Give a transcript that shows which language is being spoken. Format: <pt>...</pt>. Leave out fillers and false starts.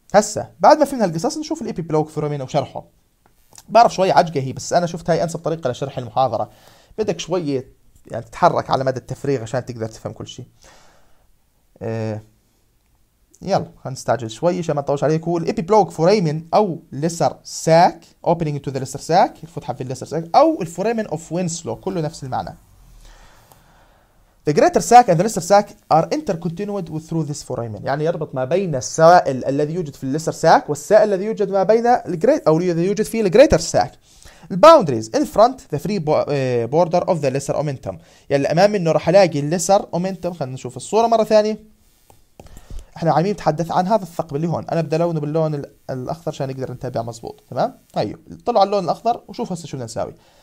<ar>هسه بعد ما فهمنا القصص نشوف الابيبلويك فوريمن وشرحه. بعرف شوي عجقة هي بس أنا شفت هاي أنسب طريقة لشرح المحاضرة، بدك شوية يعني تتحرك على مدى التفريغ عشان تقدر تفهم كل شيء. يلا خلينا نستعجل شوي عشان ما نطولش عليك. هو الإبيبلوك فوريمن أو ليسر ساك أوبننج تو ذا ليسر ساك الفتحة في الليسر ساك أو الفوريمن أوف وينسلو كله نفس المعنى.</ar> <en>The greater sac and the lesser sac are intercontinued through this foramen.</en> <ar>يعني يربط ما بين السائل الذي يوجد في الليسر ساك والسائل الذي يوجد ما بين الجريت او الذي يوجد في الجريتر ساك. الباوندريز</ar> <en>in front the free border of the lesser omentum.</en> <ar>يعني الامام منه راح الاقي الليسر اومنتم. خلينا نشوف الصوره مره ثانيه. احنا عايمين نتحدث عن هذا الثقب اللي هون، انا بدي لونه باللون الاخضر عشان نقدر نتابع مزبوط، تمام؟ طيب طلعوا على اللون الاخضر وشوفوا هسه شو بدنا نسوي.</ar>